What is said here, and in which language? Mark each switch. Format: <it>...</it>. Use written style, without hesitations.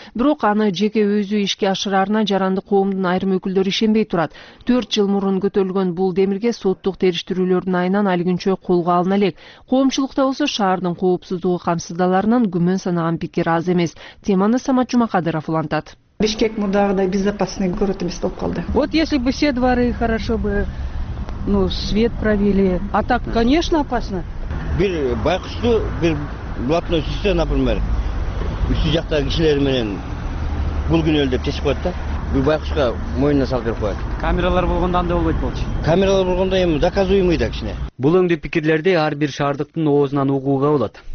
<ky>Бирок аны жеке өзү ишке ашырарына жарандык коомдун айрым өкүлдөрү ишенбей турат. 4 жыл мурун көтөрүлгөн бул демирге соттук териштирүүлөрдүн айынан ал күнчө колго алына элек. Коомчулукта болсо шаардын коопсуздугу камсыздаларынан күмөн санаган пикир аз эмес. Теманы Самат Жумакадыров улантат. Бишкек мурдагыдай</ky> <ru>безопасный город</ru> <ky>эмес болуп калды.</ky> <ru>Вот если бы все дворы хорошо бы свет провели. А так, конечно, опасно.</ru> <ky>Бир байкушту, бир блатной сестре, например, үстү жактагы кишилер менен бул күнөл деп чечип коет да. Бир байкушка мойнуна салып берип коет. Камералар болгондо андай болбойт болчу. Камералар болгондо эми заказуемый да кичине. Бул өңдүү пикирлерди ар бир шаардыктын оозунан угууга болот.</ky>